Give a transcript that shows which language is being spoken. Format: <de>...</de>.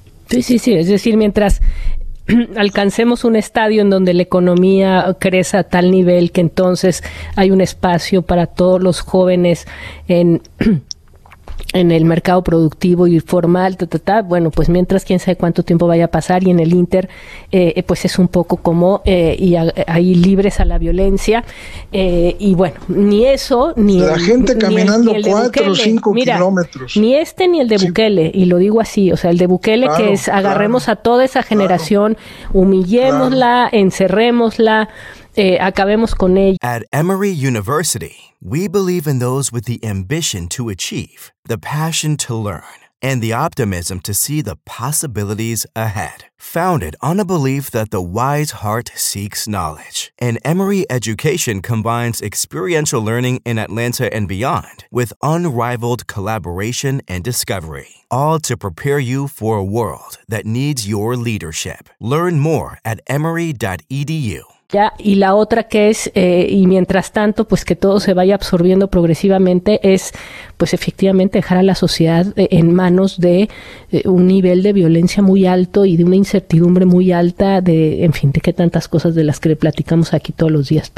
<es>Sí, sí, sí, es decir, mientras alcancemos un estadio en donde la economía crece a tal nivel que entonces hay un espacio para todos los jóvenes en el mercado productivo y formal, bueno, pues mientras quién sabe cuánto tiempo vaya a pasar, y en el Inter, pues es un poco como hay libres a la violencia, y bueno, ni eso, ni la gente caminando 4 o 5 kilómetros. Ni este ni el de Bukele, sí. Y lo digo así, o sea, el de Bukele, claro, que es agarremos a toda esa generación, humillémosla, encerrémosla, acabemos con ella.</es> <en>At Emory University, we believe in those with the ambition to achieve, the passion to learn, and the optimism to see the possibilities ahead. Founded on a belief that the wise heart seeks knowledge, an Emory education combines experiential learning in Atlanta and beyond with unrivaled collaboration and discovery, all to prepare you for a world that needs your leadership. Learn more at emory.edu.</en> <es>Ya, y la otra que es, y mientras tanto, pues que todo se vaya absorbiendo progresivamente, es pues efectivamente dejar a la sociedad en manos de un nivel de violencia muy alto y de una incertidumbre muy alta, de qué tantas cosas de las que le platicamos aquí todos los días.</es>